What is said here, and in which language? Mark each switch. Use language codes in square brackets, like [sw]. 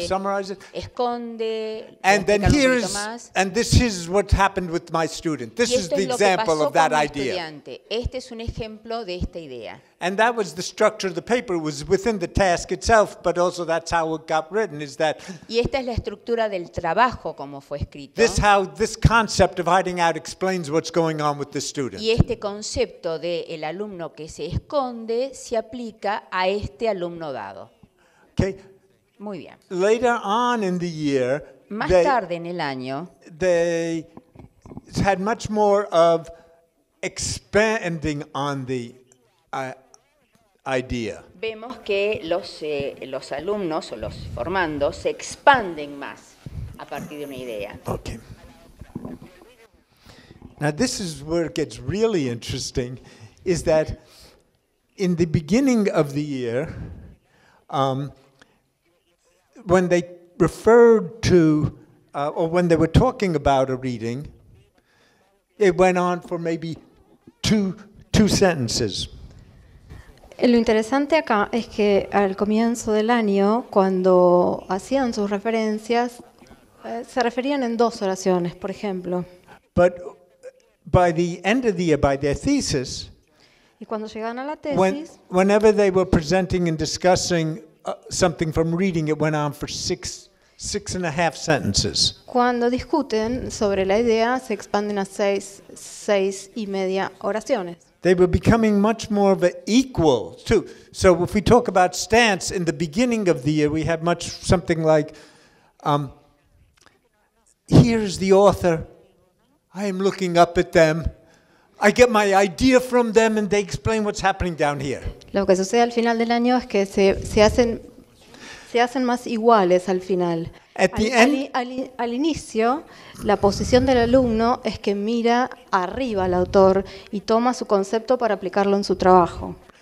[en] I will explain it a little bit more, summarize it. And then here is, and this is what happened with my student. This is the example of that idea. [es] Este es un ejemplo de esta idea. [en] And that was the structure of the paper, was within the task itself, but also that's how it got written, is that [es] y esta es la estructura del trabajo como fue escrito. [en] This how this concept of hiding out explains what's going on with the student. [es] Y este concepto de el alumno que se esconde se aplica a este alumno dado. [en] Okay. [es] Muy bien. [en] Later on in the year, [es] más tarde en el año, [en] they had much more of expanding on the idea. [es] Vemos que los alumnos o los formandos se expanden más a partir de una idea. [en] Okay. Now this is where it gets really interesting, is that in the beginning of the year, when they referred to or when they were talking about a reading, it went on for maybe two sentences. [es] Lo interesante acá es que al comienzo del año, cuando hacían sus referencias, se referían en dos oraciones, por ejemplo. [en] But by the end of the year, by their thesis, [es] y cuando llegaban a la tesis, [en] whenever they were presenting and discussing something from reading, it went on for six and a half sentences. [es] Cuando discuten sobre la idea, se expanden a seis y media oraciones. [en] They were becoming much more of an equal too. So if we talk about stance in the beginning of the year, we had much something like, here's the author, I am looking up at them, I get my idea from them and they explain what's happening down here. [es] Lo que sucede al final del año es que se hacen más iguales al final. Al inicio, la posición del alumno es que mira arriba al autor y toma su concepto para aplicarlo en su trabajo.